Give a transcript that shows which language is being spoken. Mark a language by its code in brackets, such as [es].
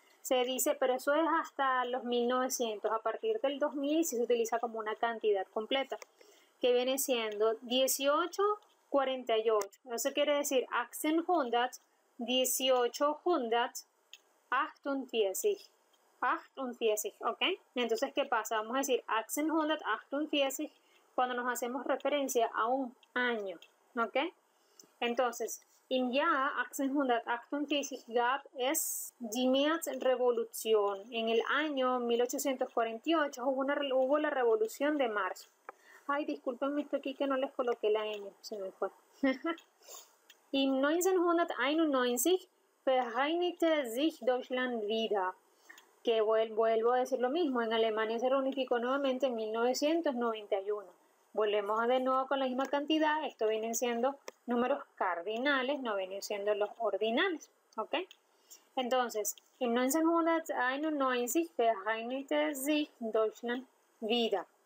[es] Se dice, pero eso es hasta los 1900, a partir del 2000 si se utiliza como una cantidad completa, que viene siendo 1848. Eso quiere decir 1800, 1848. 48, ¿ok? Entonces, ¿qué pasa? Vamos a decir 1948 cuando nos hacemos referencia a un año, ¿ok? Entonces, [de] im Jahr 1848 gab es die Märzrevolution. [es] En el año 1848 hubo la revolución de marzo. Ay, disculpen, visto aquí que no les coloqué la N, se me fue. [de] Im 1991 vereinigte sich Deutschland wieder. [es] Que vuelvo a decir lo mismo, en Alemania se reunificó nuevamente en 1991. Volvemos de nuevo con la misma cantidad, esto vienen siendo números cardinales, no vienen siendo los ordinales, ¿ok? Entonces, [de] im 1991 vereinigte sich Deutschland wieder.